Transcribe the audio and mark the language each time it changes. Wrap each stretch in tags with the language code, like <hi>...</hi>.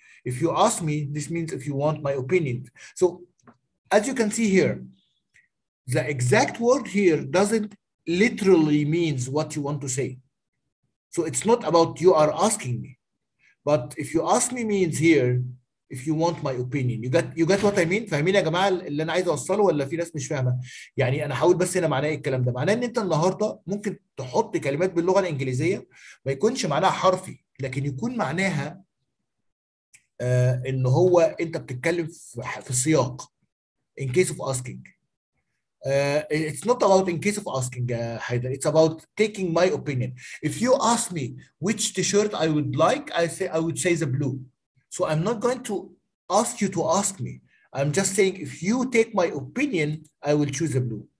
<en>If you ask me, this means if you want my opinion. So as you can see here, the exact word here doesn't literally means what you want to say. So it's not about you are asking me. But if you ask me means here, if you want my opinion, you get what I mean?</en> <ar>فاهمين يا جماعة اللي أنا عايز أوصله ولا في ناس مش فاهمة؟ يعني أنا حاول بس هنا معناه الكلام ده. معناه إن أنت النهاردة ممكن تحط كلمات باللغة الإنجليزية ما يكونش معناها حرفي، لكن يكون معناها إن هو أنت بتتكلم في السياق.</ar> <en>In case of asking. It's not about in case of asking, Haider. It's about taking my opinion. If you ask me which t-shirt I would like, I would say the blue. So I'm not going to ask you to ask me. I'm just saying if you take my opinion, I will choose the blue.</en>